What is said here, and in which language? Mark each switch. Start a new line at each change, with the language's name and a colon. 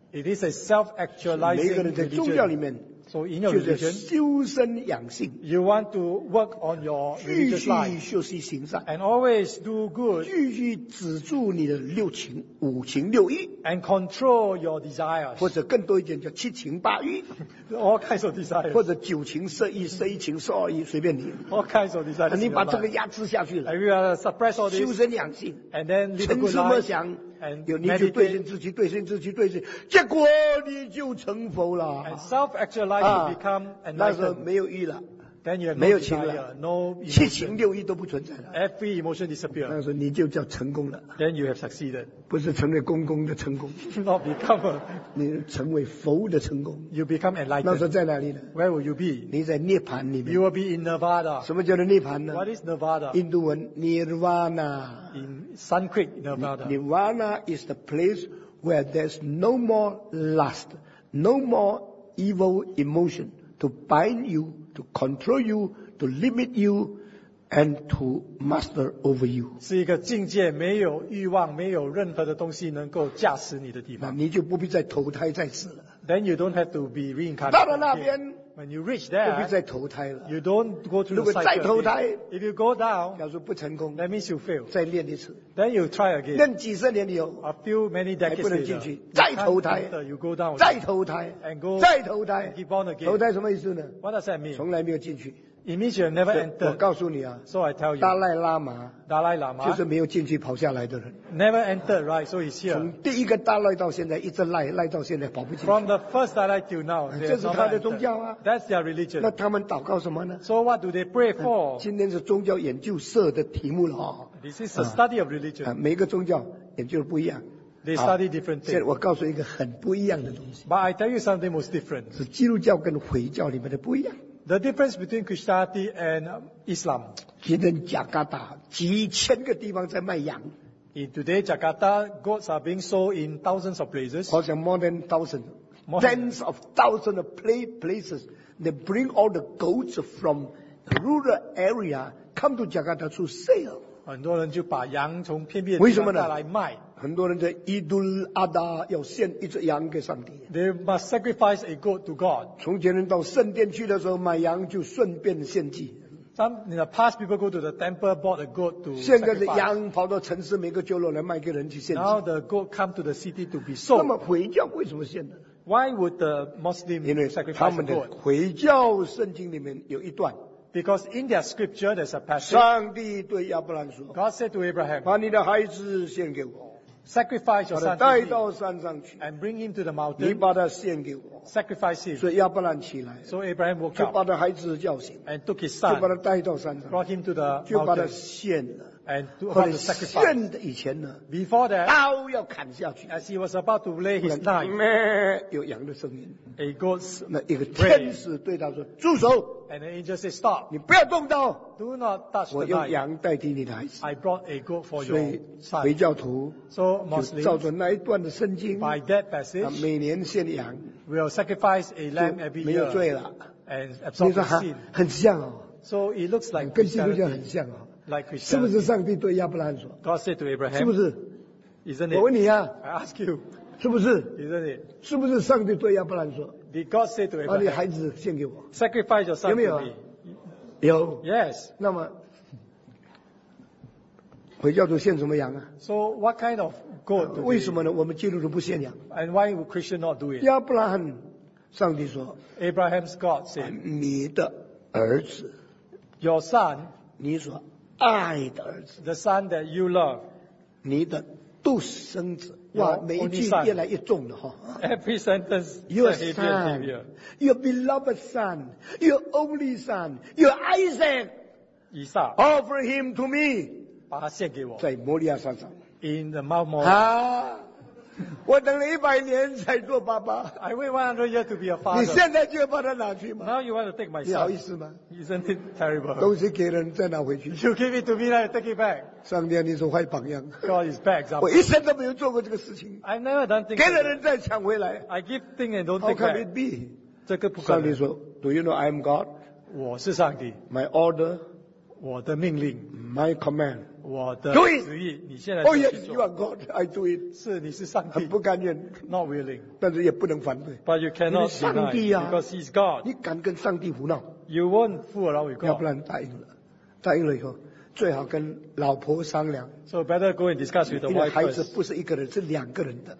English: It is a self-actualizing religion.
Chinese: 每个人在宗教里面,
English: so in your religion,
Chinese: 就是修身养性,
English: you want to work on your religious life, and always do good,
Chinese: 继续止住你的六情五情六欲,
English: and control your desires,
Chinese: 或者更多一点叫七情八欲,
English: all kinds of desires,
Chinese: 或者九情十一十一情十二欲, 随便你,
English: all kinds of desires,
Chinese: 你把这个压制下去了,
English: suppress all this,
Chinese: 修身养性,
English: and then
Chinese: 沉思默想, 有你去兑现自己，结果你就成佛了。
English: And self-actualized, you become an enlightened.
Chinese: 那时候没有意了, 没有情了, 七情六意都不存在了,
English: every emotion disappear.
Chinese: 那时候你就叫成功了,
English: then you have succeeded.
Chinese: 不是成为公公的成功,
English: not become a,
Chinese: 你成为佛的成功,
English: you become enlightened.
Chinese: 那时候在哪里呢?
English: Where will you be?
Chinese: 你在涅槃里面,
English: you will be in Nevada.
Chinese: 什么叫做涅槃呢?
English: What is Nevada?
Chinese: 印度文, Nirvana.
English: In Sanskrit, Nevada. Nirvana is the place where there's no more lust, no more evil emotion to bind you, to control you, to limit you, and to master over you.
Chinese: 是一个境界, 没有欲望, 没有任何的东西能够驾驶你的地方, 那你就不必再投胎再死了。
English: Then you don't have to be reincarnated.
Chinese: 到了那边,
English: when you reach there,
Chinese: 不必再投胎了,
English: you don't go to the cycle.
Chinese: 如果再投胎,
English: if you go down,
Chinese: 假如不成功,
English: that means you fail.
Chinese: 再练一次,
English: then you try again.
Chinese: 练几十年以后,
English: a few many decades later,
Chinese: 还不能进去, 再投胎,
English: you go down,
Chinese: 再投胎,
English: and go,
Chinese: 再投胔,
English: and keep on again.
Chinese: 投胔什么意思呢?
English: What does that mean?
Chinese: 从来没有进去,
English: it means you have never entered.
Chinese: 我告诉你啊,
English: so I tell you,
Chinese: 达赖喇嘛, 达赖喇嘛, 就是没有进去跑下来的人,
English: never entered, right? So he's here.
Chinese: 从第一个达赖到现在, 一直赖, 赖到现在跑不进去,
English: from the first Dalai till now,
Chinese: 这是他的宗教啊,
English: that's their religion.
Chinese: 那他们祷告什么呢?
English: So what do they pray for?
Chinese: 今天是宗教研究社的题目了啊,
English: this is a study of religion.
Chinese: 每个宗教研究的不一样,
English: they study different things.
Chinese: 现在我告诉一个很不一样的东西,
English: but I tell you something most different.
Chinese: 是基督教跟回教里面的不一样,
English: the difference between Christianity and Islam.
Chinese: 今天加加达, 几千个地方在卖羊,
English: in today Jakarta, goats are being sold in thousands of places. Or more than thousand. More tens of thousands of places. They bring all the goats from rural area come to Jakarta to sell.
Chinese: 很多人就把羊从偏僻的地方带来卖。很多人在Idul Adha 要献一只羊给上帝,
English: they must sacrifice a goat to God.
Chinese: 从前人到圣殿去的时候买羊就顺便献祭,
English: some in the past people go to the temple bought a goat to sacrifice.
Chinese: 现在是羊跑到城市每个角落来卖给人去献祭,
English: now the goat come to the city to be sold.
Chinese: 那么回教为什么献呢?
English: Why would the Muslim sacrifice a goat?
Chinese: 因为他们的回教圣经里面有一段,
English: Because in their scripture, there's a passage.
Chinese: 上帝对亚伯兰说,
English: God said to Abraham,
Chinese: 把你的孩子献给我,
English: sacrifice your son to me,
Chinese: 把他带到山上去,
English: and bring him to the mountain.
Chinese: 你把他献给我,
English: sacrifice him.
Chinese: 所以亚伯兰起来,
English: so Abraham woke up,
Chinese: 就把他孩子叫醒,
English: and took his son,
Chinese: 就把他带到山上,
English: brought him to the mountain.
Chinese: 就把他献了,
English: and to offer the sacrifice.
Chinese: 献的以前呢,
English: before that,
Chinese: 刀要砍下去,
English: as he was about to lay his knife,
Chinese: 有羊的声音,
English: a goat's
Chinese: 那一个天使对他说, 住手,
English: and the angel said, stop.
Chinese: 你不要动刀,
English: do not touch the knife. I brought a goat for your son.
Chinese: 回教徒,
English: so Muslims,
Chinese: 照着那一段的圣经,
English: by that passage,
Chinese: 每年献羊,
English: will sacrifice a lamb every year,
Chinese: 没有罪了,
English: and absolve the sin.
Chinese: 很像哦,
English: so it looks like Christianity.
Chinese: 跟基督教很像哦,
English: like Christian.
Chinese: 是不是上帝对亚伯兰说?
English: God said to Abraham.
Chinese: 是不是?
English: Isn't it?
Chinese: 我问你啊,
English: I ask you.
Chinese: 是不是?
English: Isn't it?
Chinese: 是不是上帝对亚伯兰说?
English: Did God say to Abraham?
Chinese: 把你孩子献给我?
English: Sacrifice your son
Chinese: 有没有?
English: To me.
Chinese: 有。
English: Yes.
Chinese: 那么, 回教徒献什么羊啊?
English: So what kind of goat?
Chinese: 为什么呢?我们基督徒不献羊?
English: And why would Christian not do it?
Chinese: 亚伯兰, 上帝说,
English: Abraham's God said,
Chinese: 你的儿子,
English: your son,
Chinese: 你说, 爱的儿子,
English: the son that you love,
Chinese: 你的独生子, 哇, 每一句越来越重的,
English: every sentence, your son, your beloved son, your only son, your Isaac,
Chinese: 以撒,
English: offer him to me,
Chinese: 把他献给我, 在摩利亚山上,
English: in the Mount
Chinese: Moriah. 我等了100年才做爸爸,
English: I wait 100 years to be a father.
Chinese: 你现在就要把他拿去吗?
English: Now you want to take my son?
Chinese: 你好意思吗?
English: Isn't it terrible?
Chinese: 东西给人再拿回去,
English: you give it to me, then I take it back.
Chinese: 上帝啊, 你是坏榜样,
English: God is bad example.
Chinese: 我一生都没有做过这个事情,
English: I've never done things.
Chinese: 给了人再抢回来,
English: I give things and don't take back. How can it be?
Chinese: 这个不可能。上帝说,
English: do you know I am God?
Chinese: 我是上帝,
English: my order,
Chinese: 我的命令,
English: my command,
Chinese: 我的旨意, 你现在就去做。
English: Oh yes, you are God, I do it.
Chinese: 是, 你是上帝, 很不甘愿,
English: not willing,
Chinese: 但是也不能反对,
English: but you cannot
Chinese: 你是上帝啊,
English: deny, because he's God.
Chinese: 你敢跟上帝胡闹,
English: you won't fool around with God.
Chinese: 要不然答应了, 答应了以后, 最好跟老婆商量,
English: so better go and discuss with the wife first.
Chinese: 因为孩子不是一个人, 是两个人的,